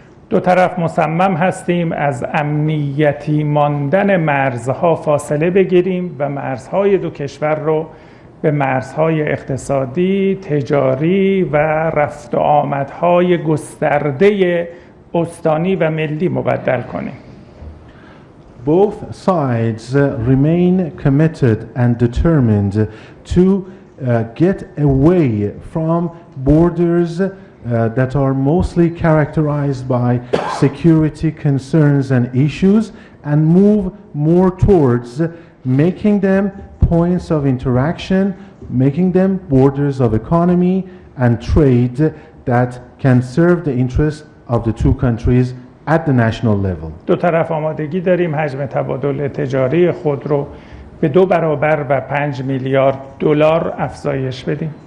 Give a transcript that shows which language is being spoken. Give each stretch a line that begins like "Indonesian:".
Persian: دو طرف مصمم هستیم از امنیتی ماندن مرزها فاصله بگیریم و مرزهای دو کشور رو به مرزهای اقتصادی، تجاری و رفت و آمدهای گسترده استانی و ملی مبدل کنیم.
English: Both sides remain committed and determined to get away from borders that are mostly characterized by security concerns and issues and move more towards making them points of interaction, making them borders of economy and trade that can serve the interests of the two countries at the national level.
Persian: دو طرف آمادگی داریم حجم تبادل تجاری خود رو به دو برابر و 5 میلیارد دلار افزایش بدیم.